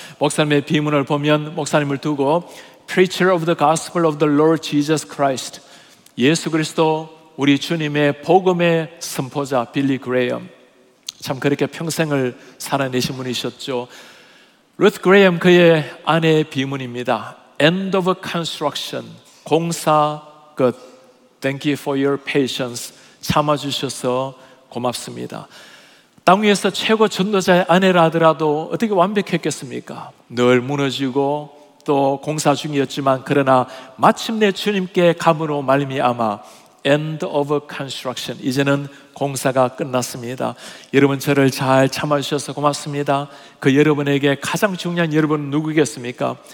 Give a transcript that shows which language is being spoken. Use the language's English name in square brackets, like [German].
[Korean] 목사님의 비문을 보면 목사님을 두고 [English] Preacher of the Gospel of the Lord Jesus Christ, [Korean] 예수 그리스도 우리 주님의 복음의 선포자 빌리 그레이엄, 참 그렇게 평생을 살아내신 분이셨죠. 루스 그레이엄 그의 아내의 비문입니다. [English] End of construction, [Korean] 공사 끝. [English] Thank you for your patience, [Korean] 참아주셔서 고맙습니다. 땅 위에서 최고 전도자의 아내라 하더라도 어떻게 완벽했겠습니까? 늘 무너지고 또 공사 중이었지만 그러나 마침내 주님께 감으로 말미암아 [English] End of construction, [Korean] 이제는 공사가 끝났습니다. 여러분 저를 잘 참아주셔서 고맙습니다. 그 여러분에게 가장 중요한 여러분은 누구겠습니까?